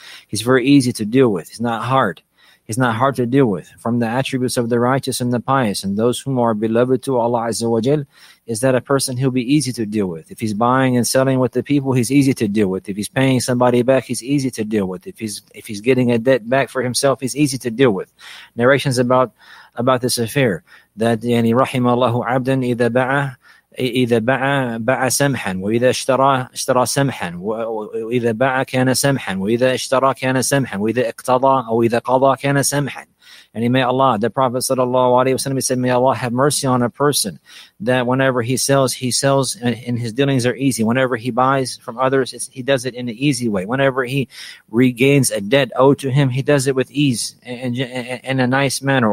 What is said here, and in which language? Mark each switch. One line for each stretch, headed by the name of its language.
English: He's not hard. He's not hard to deal with. From the attributes of the righteous and the pious and those whom are beloved to Allah Azza wa Jal, is that a person he'll be easy to deal with. If he's buying and selling with the people, he's easy to deal with. If he's paying somebody back, he's easy to deal with. If he's getting a debt back for himself, he's easy to deal with. Narrations about this affair, that
Arabic: يعني رحم الله عبدا إذا باع سمحا وإذا اشترى سمحا وإذا باع كان سمحا وإذا اشترى كان سمحا وإذا اقتضى أو إذا قضى كان سمحا.
English: And may Allah, the Prophet sallallahu alaihi wasallam, said, may Allah have mercy on a person that whenever he sells, and his dealings are easy. Whenever he buys from others, he does it in an easy way. Whenever he regains a debt owed to him, he does it with ease and in a nice manner.